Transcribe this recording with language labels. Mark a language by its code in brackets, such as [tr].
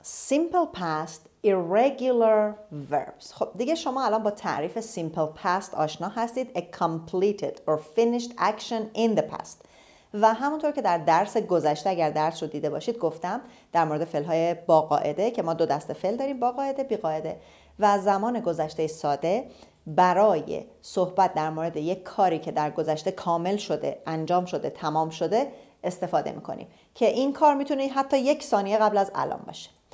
[en] Simple past, irregular verbs. [fa] خب دیگه شما الان با تعریف simple past آشنا هستید. [en] A completed or finished action in the past. [fa] و همونطور که در درس گذشته اگر درس رو دیده باشید گفتم در مورد فعل‌های با قاعده که ما دو دسته فعل داریم، با قاعده، بی قاعده و زمان گذشته ساده برای صحبت در مورد یک کاری که در گذشته کامل شده، انجام شده، تمام شده استفاده می‌کنیم که این کار می‌تونه حتی یک ثانیه قبل از الان باشه.